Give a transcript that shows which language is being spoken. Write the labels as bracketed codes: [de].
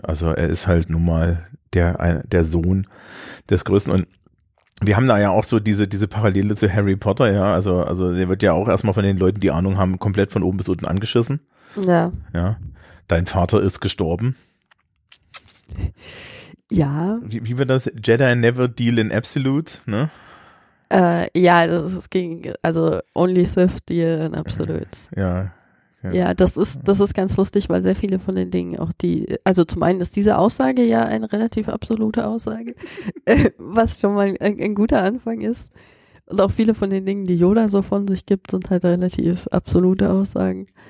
[de] Also er ist halt nun mal der Sohn des Größten. Und wir haben da ja auch so diese Parallele zu Harry Potter. Ja, also der wird ja auch erstmal von den Leuten, die Ahnung haben, komplett von oben bis unten angeschissen. Ja. Ja. Dein Vater ist gestorben. Ja. Wie wird das? [en] Jedi never deal in absolutes, ne? [de] Ja, das ging, also [en] only Sith deal in absolutes. [de] Ja. Ja, das ist ganz lustig, weil sehr viele von den Dingen auch die, also zum einen ist diese Aussage ja eine relativ absolute Aussage, was schon mal ein guter Anfang ist. Und auch viele von den Dingen, die Yoda so von sich gibt, sind halt relativ absolute Aussagen.